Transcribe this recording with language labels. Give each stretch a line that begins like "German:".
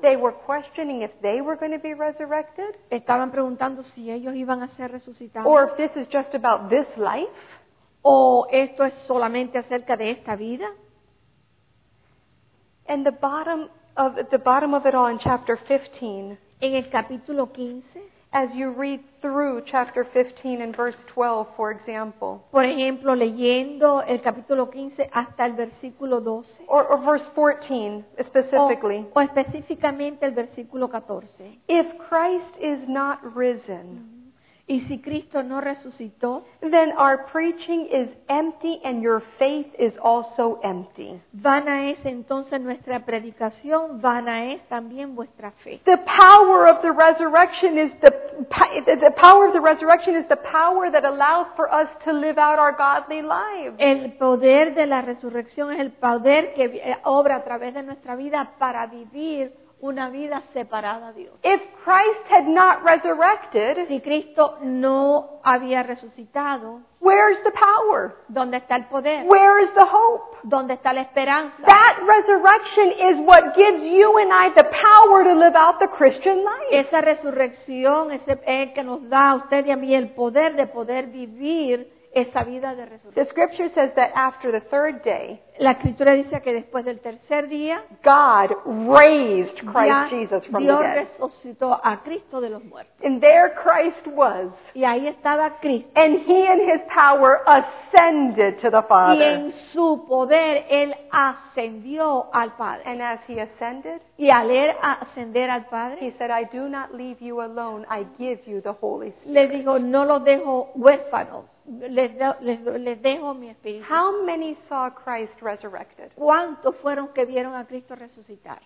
English: They were questioning if they were going to be resurrected.
Spanish: Estaban preguntando si ellos iban a ser resucitados.
English: Or if this is just about this life.
Spanish: O esto es solamente acerca de esta vida.
English: And the bottom of it all in chapter 15.
Spanish: En el capítulo 15.
English: As you read through chapter 15 and verse 12, for example.
Spanish: Por ejemplo, leyendo el capítulo 15 hasta el versículo 12.
English: Or verse 14, specifically.
Spanish: O específicamente el versículo 14.
English: If Christ is not risen,
Spanish: y si Cristo no resucitó,
English: then our preaching is empty and your faith is also empty.
Spanish: Vana es entonces nuestra predicación, vana es también vuestra fe.
English: The power of the resurrection is the power of the resurrection is the power that allows for us to live out our godly lives.
Spanish: El poder de la resurrección es el poder que obra a través de nuestra vida para vivir una vida separada a Dios.
English: If Christ had not resurrected,
Spanish: si Cristo no había resucitado,
English: where is the power?
Spanish: ¿Dónde está el poder?
English: Where is the hope?
Spanish: ¿Dónde está la esperanza?
English: That resurrection is what gives you and I the power to live out the Christian life.
Spanish: Esa resurrección es el que nos da a usted y a mí el poder de poder vivir esa vida de resurrección.
English: The scripture says that after the third day,
Spanish: la escritura dice que después del tercer día,
English: God raised Christ Jesus from
Spanish: Dios
English: the dead.
Spanish: Resucitó a Cristo de los muertos.
English: And there Christ was.
Spanish: Y ahí estaba Cristo.
English: And he in his power ascended to the Father.
Spanish: Y en su poder él ascendió al Padre.
English: And as he ascended,
Spanish: y al él ascender al Padre,
English: he said, I do not leave you alone, I give you the Holy Spirit.
Spanish: Le dijo, no los dejo huérfanos. Les dejo mi espíritu.
English: How many saw Christ resurrected?
Spanish: ¿Cuántos fueron que vieron a Cristo resucitar?